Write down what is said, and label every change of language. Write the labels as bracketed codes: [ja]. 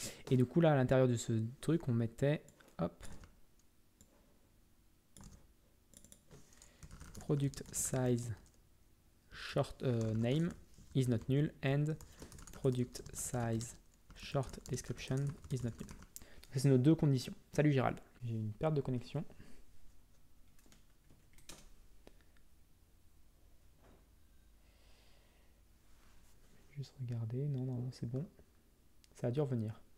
[fr] Et du coup là, à l'intérieur de ce truc, on mettait hop. [en] Product size short name is not null and product size short description is not null. [fr] Ça, c'est nos deux conditions. Salut Gérald. J'ai une perte de connexion. Juste regarder. Non, non, non, c'est bon. Ça a dû revenir.